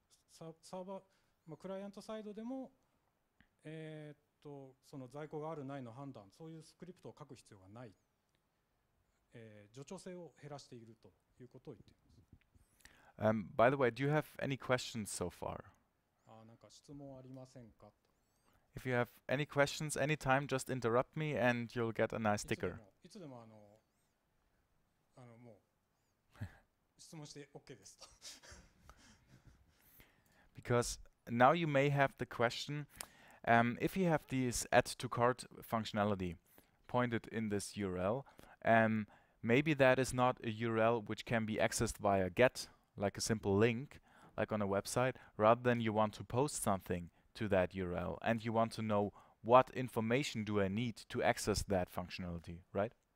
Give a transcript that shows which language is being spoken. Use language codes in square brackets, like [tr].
[ja] サーバー、まあ、クライアントサイドでも、その在庫があるないの判断、そういうスクリプトを書く必要がない。助長性を減らしているということを言っています。 [en] By the way, do you have any questions so far? [ja] なんか質問ありませんか? [en] If you have any questions anytime, just interrupt me and you'll get a nice sticker. [ja] いつでももう質問して OK ですと。 [en] Because now you may have the question, if you have this add to cart functionality pointed in this URL, maybe that is not a URL which can be accessed via GET, like a simple link, like on a website, rather than you want to post something to that URL and you want to know what information do I need to access that functionality, right?